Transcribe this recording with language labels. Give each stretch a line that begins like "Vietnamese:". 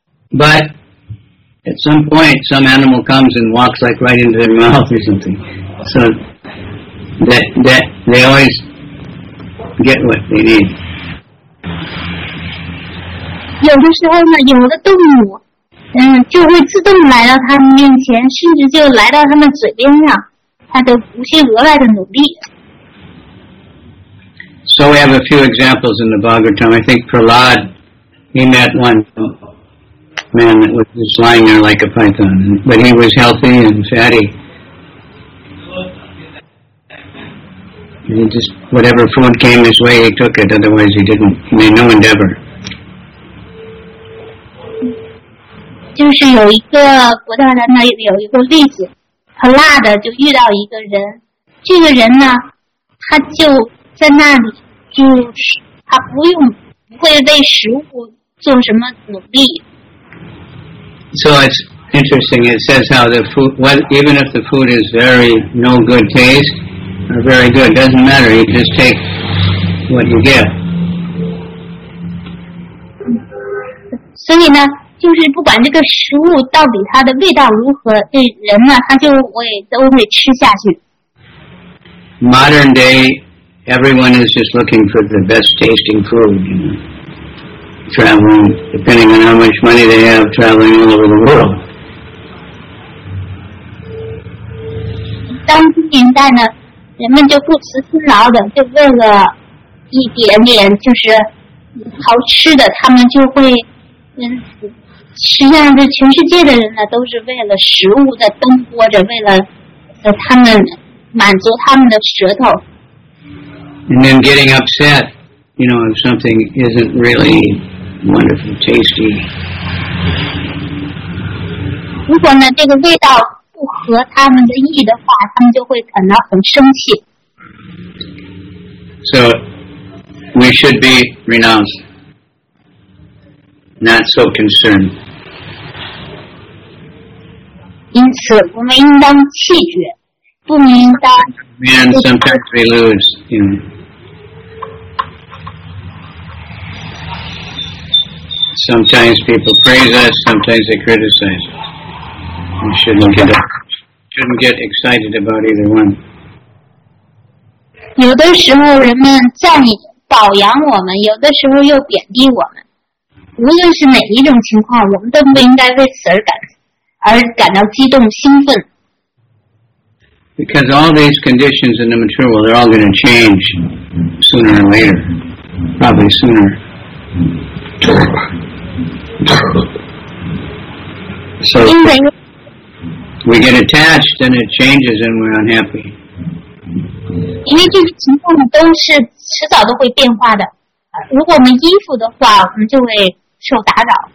English: But at some point, some animal comes and walks like right into their mouth or something. So that they always get what they need.
Chinese: 有的时候呢，有的动物，就会自动来到他们面前，甚至就来到他们嘴边上，他都不惜额外的努力。
English: So we have a few examples in the Bhagavatam. I think Prahlad, he met one man that was just lying there like a python, but he was healthy and fatty. He just, whatever food came his way, he took it. Otherwise, he didn't, he made no endeavor.
Chinese: 就是有一个国大人呢，有一个例子，很辣的，就遇到一个人。这个人呢，他就在那里，就是他不用，不会为食物做什么努力。
English: So it's interesting. It says how the food, well, even if the food is very no good taste. Are very good. Doesn't matter. You just take what you get.
Chinese: 所以呢，就是不管这个食物到底它的味道如何，这人呢，他就会都会吃下去。
English: Modern day, everyone is just looking for the best tasting food. You know, traveling, depending on how much money they have, traveling all over the world.
Chinese: 当今年代呢？人们就不辞辛劳的，就为了一点点就是好吃的，他们就会实际上，这全世界的人呢，都是为了食物在奔波着，为了他们满足他们的舌头。
English: And then getting upset, you know, if something isn't really wonderful, tasty.
Chinese: 如果呢，这个味道。不合他们的意的话，他们就会感到很生气。
English: So we should be renounced, not so concerned.
Chinese: 因此，我们应当弃绝，不应当。
English: Man, sometimes we lose. You know. Sometimes people praise us. Sometimes they criticize. We shouldn't get up. Shouldn't get excited about either one.
Chinese: 有的时候人们赞美褒扬我们，有的时候又贬低我们。无论是哪一种情况，我们都不应该为此而感到激动兴奋。
English: Because all these conditions in the material world, they're all going to change sooner or later, probably sooner. So. We get attached, then it changes, and we're unhappy.
Chinese: 因为这些情况都是迟早都会变化的。如果我们依附的话，我们就会受打扰。